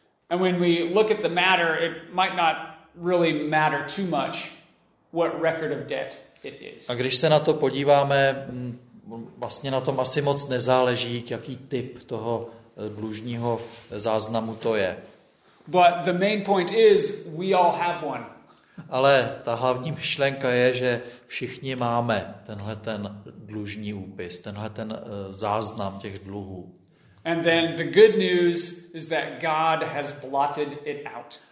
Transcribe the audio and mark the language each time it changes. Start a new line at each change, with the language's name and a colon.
English: And when we look at the matter, it might not really matter too much what record of debt it is.
Czech: A když se na to podíváme, vlastně na tom asi moc nezáleží, jaký typ toho dlužního záznamu to je.
English: But the main point is we all have one.
Czech: Ale ta hlavní myšlenka je, že všichni máme tenhle ten dlužní úpis, tenhle ten záznam těch dluhů.
English: And then the good news is that God has blotted it out.